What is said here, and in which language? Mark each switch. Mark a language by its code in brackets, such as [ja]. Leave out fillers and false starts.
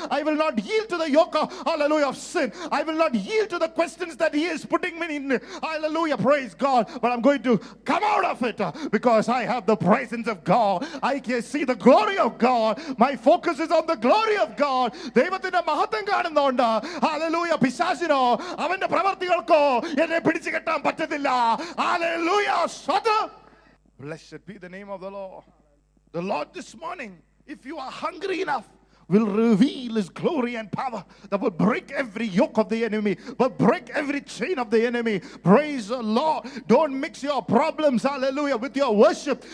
[en] I will not yield to the yoke of, hallelujah, of sin. I will not yield to the questions that he is putting me in. Hallelujah. Praise God. But I'm going to come out of it because I have the presence of God. I can see the glory of God. My focus is on the glory of God. [ml] ദൈവത്തിന്റെ മഹത്വം കാണുന്നോണ്ട് hallelujah പിശാചിനോ അവന്റെ പ്രവൃത്തികൾക്കോ എന്നെ പിടിച്ചു കെട്ടാൻ പറ്റത്തില്ല. Hallelujah സ്വതു. [en] Blessed be the name of the Lord. The Lord this morning, if you are hungry enough, will reveal his glory and power that will break every yoke of the enemy, will break every chain of the enemy. Praise the Lord. Don't mix your problems, hallelujah, with your worship.